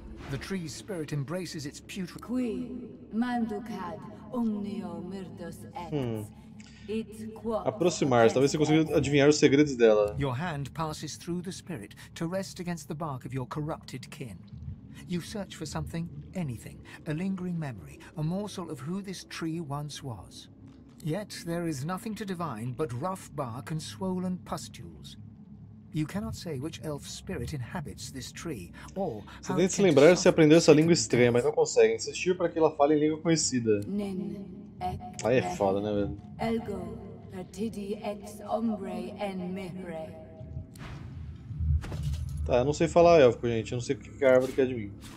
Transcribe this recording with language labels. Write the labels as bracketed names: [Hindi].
[English] The tree's spirit embraces its putrid. Qui manducad omnio mirtus ex. [Portuguese] Aproximar-se, talvez você consiga adivinhar os segredos dela. [English] Your hand passes through the spirit to rest against the bark of your corrupted kin. You search for something, anything, a lingering memory, a morsel of who this tree once was. Yet there is nothing to divine but rough bark and swollen pustules. You cannot say which elf spirit inhabits this tree, or [Portuguese] você tem que se lembrar se aprendeu essa língua estranha, mas não consegue insistir para que ela fale em língua conhecida. Aí é foda, né, velho? Elgo, partidi ex ombre en mehre. Tá, eu não sei falar élfico, gente. Eu não sei o que a árvore quer de mim.